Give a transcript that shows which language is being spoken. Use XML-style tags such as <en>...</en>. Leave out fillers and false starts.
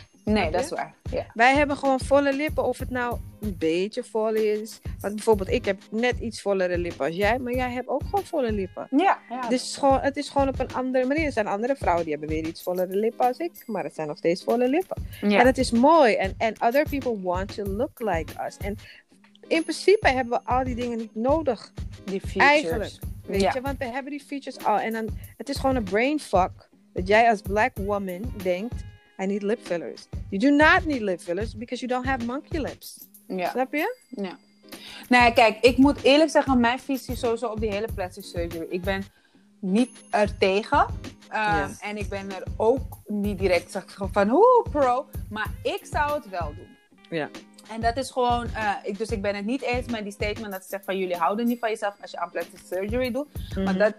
<nl>Nee, dat is waar. Ja. Wij hebben gewoon volle lippen. Of het nou een beetje vol is. Want bijvoorbeeld, ik heb net iets vollere lippen als jij. Maar jij hebt ook gewoon volle lippen. Ja. Ja, dus het is gewoon op een andere manier. Er zijn andere vrouwen die hebben weer iets vollere lippen als ik. Maar het zijn nog steeds volle lippen. Ja. En het is mooi.</nl> <en>En other people want to look like us.</en> <nl>En in principe hebben we al die dingen niet nodig. Die features. Eigenlijk. Weet je, want we hebben die features al. En dan, het is gewoon een brain fuck. Dat jij als</nl> <en>black woman</en> <nl>denkt...</nl> <en>I need lip fillers. You do not need lip fillers because you don't have monkey lips.</en> <nl>Ja. Snap je? Ja. Nou ja, kijk, ik moet eerlijk zeggen, mijn visie is sowieso op die hele plastic surgery. Ik ben niet er tegen. Yes. En ik ben er ook niet direct van, hoe pro. Maar ik zou het wel doen. Ja. En dat is gewoon, ik ben het niet eens met die statement dat ze zegt van jullie houden niet van jezelf als je aan plastic surgery doet. Mm-hmm.</nl>